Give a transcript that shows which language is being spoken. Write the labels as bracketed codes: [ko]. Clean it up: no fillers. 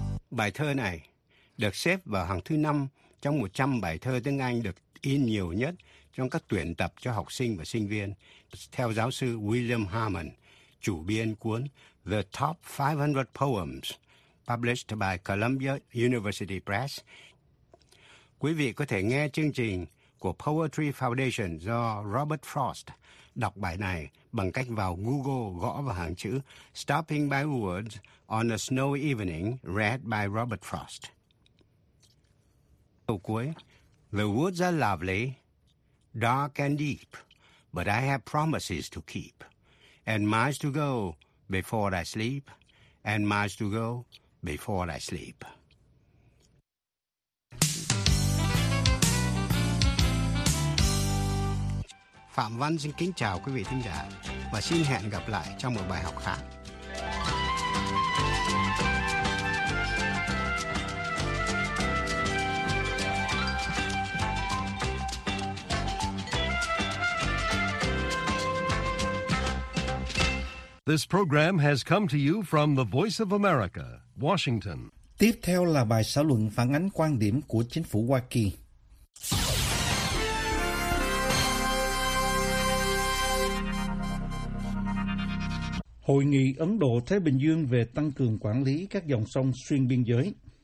[vi] Bài thơ này được xếp vào hàng thứ 5 trong 100 bài thơ tiếng Anh được in nhiều nhất trong các tuyển tập cho học sinh và sinh viên, theo giáo sư William Harman, chủ biên cuốn The Top 500 Poems, [en] published by Columbia University Press. [vi] Quý vị có thể nghe chương trình của Poetry Foundation do Robert Frost đọc bài này bằng cách vào Google gõ vào hàng chữ Stopping by Woods on a Snow Evening, [en] read by Robert Frost. [vi] Câu cuối, [en] The woods are lovely, dark and deep, but I have promises to keep, and miles to go before I sleep, and miles to go before I sleep. [vi] Phạm Văn xin kính chào quý vị thính giả và xin hẹn gặp lại trong một bài học khác. [en] This program has come to you from the Voice of America, Washington. [vi] Tiếp theo là bài xã luận phản ánh quan điểm của chính phủ Hoa Kỳ. Hội nghị Ấn Độ-Thái Bình Dương về tăng cường quản lý các dòng sông xuyên biên giới.